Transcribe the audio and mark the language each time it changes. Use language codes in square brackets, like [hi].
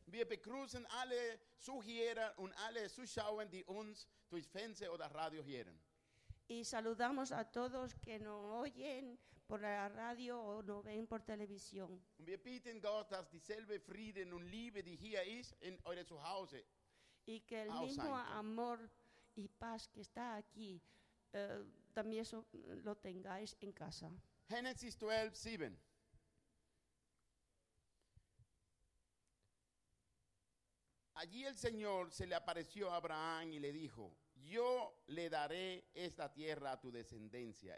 [de] Wir begrüßen alle Zuhörer und alle Zuschauer, die uns durch Fernseh oder Radio hören. [es] Y saludamos a todos que nos oyen por la radio o nos ven por televisión. [de] Wir bitten Gott, dass dieselbe Frieden und Liebe, die hier ist, in eure Zuhause. [es] Y que el mismo amor y paz que está aquí, también eso lo tengáis en casa. Génesis 12, 7. Allí el Señor se le apareció a Abraham y le dijo, yo le daré esta tierra a tu descendencia.